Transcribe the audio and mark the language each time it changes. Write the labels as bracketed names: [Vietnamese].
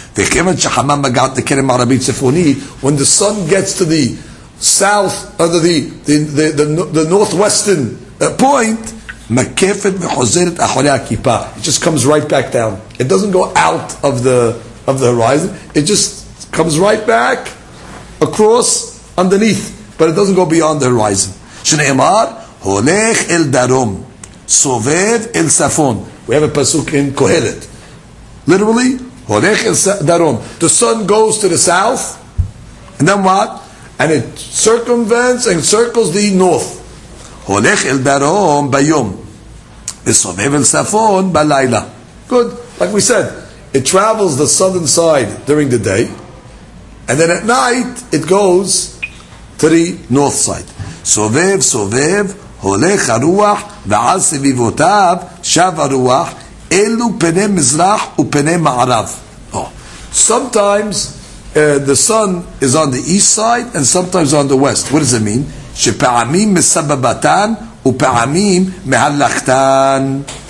[English] When the sun gets to the south, under the northwestern point, it just comes right back down. It doesn't go out of the horizon. It just comes right back across underneath, but it doesn't go beyond the horizon. [Hebrew] הולך אל דרום, סובב אל צפון. [English] We have a pasuk in Kohelet. Literally, [Hebrew] הולך אל דרום. [English] The sun goes to the south, and then what? And it circumvents and circles the north. [Hebrew] הולך אל דרום ביום, וסובב אל צפון בלילה. [English] Good. Like we said, it travels the southern side during the day, and then at night it goes to the north side. [Hebrew] סובב, סובב, הולך הרוח, ועל סביבותיו שב הרוח, אלו פני מזרח ופני מערב. [English] Oh. Sometimes the sun is on the east side and sometimes on the west. What does it mean? [Hebrew] שפעמים מסבבתן ופעמים מהלכתן.